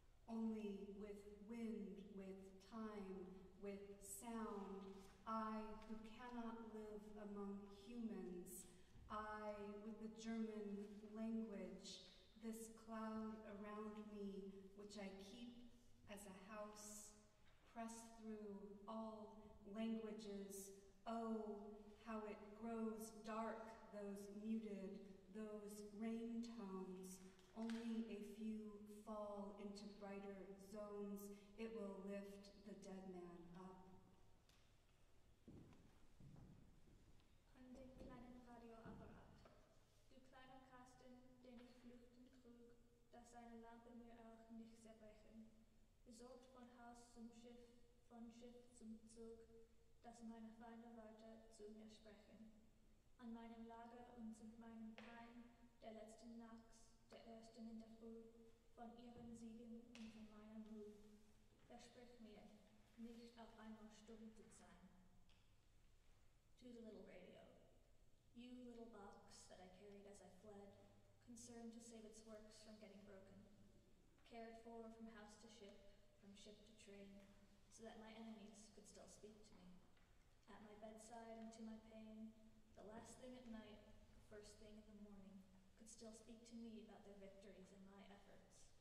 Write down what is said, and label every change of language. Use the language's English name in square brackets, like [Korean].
[English] only with wind, with time, with sound, I who cannot live among humans, I with the German language, this cloud around me, which I keep as a house, press through all languages. Oh, how it grows dark, those muted, those rain tones. Only a few fall into brighter zones. It will lift the dead man up. [German] An den kleinen Radioapparat, du kleiner Kasten, den ich flüchtend trug, dass seine Lampe mir auch nicht zerbrechen. Besorgt von Haus zum Schiff, von Schiff zum Zug, dass meine feinen Worte zu mir sprechen. An meinem Lager und zu meinem Heim, der letzten Nachts, der ersten in der Früh, von ihren Siegen und von meiner Ruhe. Versprich mir, nicht auf einmal stumm zu sein. [English] To the little radio. You little box that I carried as I fled, concerned to save its works from getting broken. Cared for from house to ship, from ship to train, so that my enemies could still speak to me. At my bedside and to my pain, the last thing at night, the first thing in the morning, could still speak to me about their victories and my efforts.